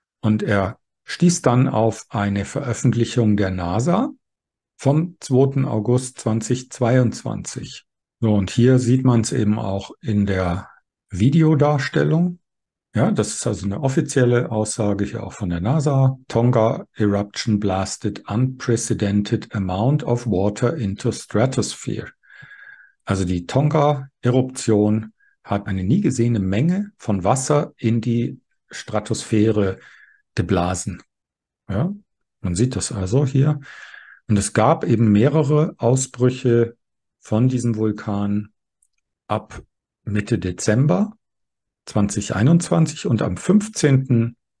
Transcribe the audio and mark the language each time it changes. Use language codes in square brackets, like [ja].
[de] Und er stieß dann auf eine Veröffentlichung der NASA vom 2. August 2022. So, und hier sieht man es eben auch in der Videodarstellung. Ja, das ist also eine offizielle Aussage hier auch von der NASA. [en] Tonga Eruption blasted unprecedented amount of water into stratosphere. [de] Also die Tonga-Eruption hat eine nie gesehene Menge von Wasser in die Stratosphäre geblasen. Ja, man sieht das also hier. Und es gab eben mehrere Ausbrüche von diesem Vulkan ab Mitte Dezember 2021 und am 15.